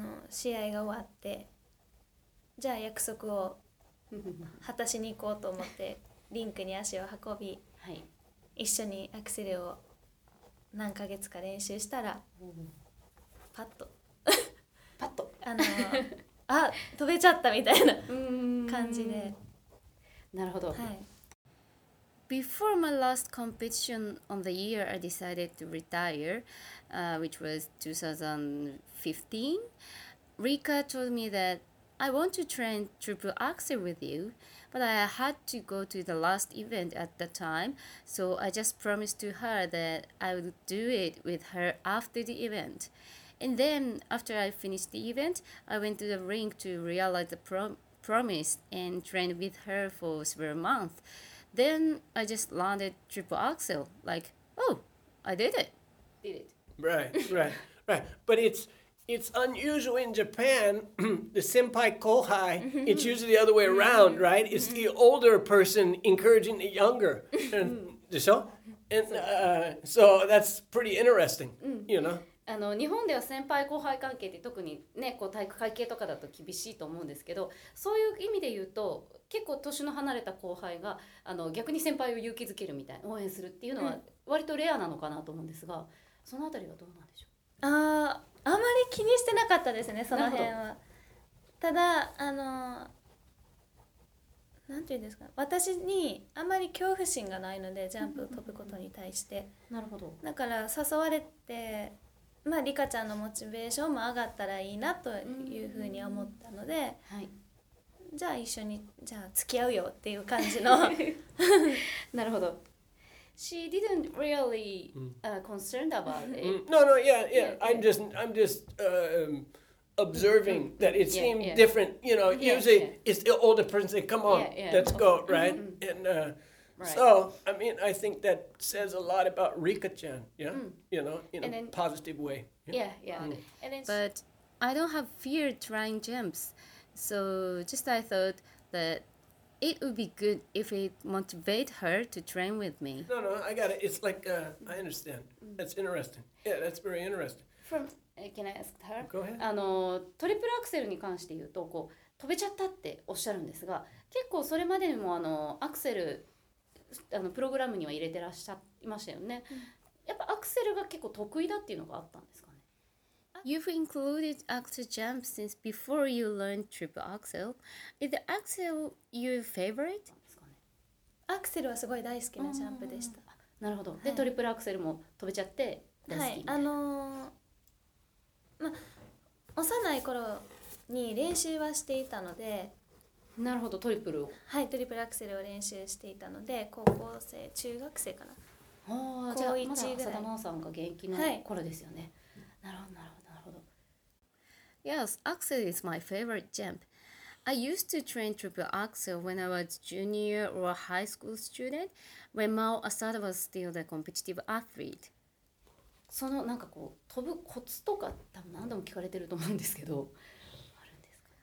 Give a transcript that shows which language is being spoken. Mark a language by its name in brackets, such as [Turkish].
[Japanese] 試合が終わってじゃあ約束を果たしに行こうと思ってリンクに足を運び、はい、一緒にアクセルを何ヶ月か練習したら、うん、パッとパッとあ、飛べちゃったみたいな感じで。なるほど、はい。 [English] Before my last competition of the year, I decided to retire, which was 2015. Rika told me that I want to train triple axel with you, but I had to go to the last event at the time, so I just promised to her that I would do it with her after the event. And then, after I finished the event, I went to the ring to realize the promise and trained with her for several months. Then I just landed triple axel, like, oh, I did it. Did it. Right, right, right. But it's unusual in Japan, the senpai kohai, it's usually the other way around, right? It's the older person encouraging the younger. So that's pretty interesting, you know? [Japanese] 日本では先輩後輩関係って特にね、こう体育会系とかだと厳しいと思うんですけど、そういう意味で言うと結構年の離れた後輩が逆に先輩を勇気づけるみたいな、応援するっていうのは割とレアなのかなと思うんですが、そのあたりはどうなんでしょう？あまり気にしてなかったですね、その辺は。ただなんていうんですか、私にあまり恐怖心がないのでジャンプを飛ぶことに対してなるほど。だから誘われて、まあ、リカちゃんのモチベーションも上がったらいいなというふうに思ったので、はい、じゃあ一緒にじゃあ付き合うよっていう感じのなるほど。 [English] She didn't really concerned about it. No, no, yeah. I'm just observing that it seemed different. You know, usually it's the older person saying, come on, let's go, right? And right. So, I mean, I think that says a lot about Rika-chan, yeah? You know, in a positive way. Yeah. But I don't have fear trying jumps. So just I thought that it would be good if it motivate her to train with me. No, I got it. It's like, I understand. That's interesting. Yeah, that's very interesting. Can I ask her? Go ahead. [Japanese] トリプルアクセルに関して言うと、こう、飛べちゃったっておっしゃるんですが、結構それまでにもアクセル、プログラムには入れてらっしゃいましたよね。やっぱアクセルが結構得意だっていうのがあったんですかね。 [English] You've included axel jump since before you learned triple axel. Is the axel your favorite? [Japanese] アクセルはすごい大好きなジャンプでした。なるほど。で、はい、トリプルアクセルも飛べちゃって大好き。はい、幼い頃に練習はしていたので。なるほど、トリプルを。はい、トリプルアクセルを練習していたので、高校生、中学生かな。ああ、じゃあまだ佐田真央さんが現役の頃ですよね。はい、なるほど。 [English] Yes, axel is my favorite jump. I used to train triple axel when I was junior or high school student, when Mao Asada was still the competitive athlete. [Japanese] そのなんかこう、飛ぶコツとか多分何度も聞かれてると思うんですけど、あるんですか？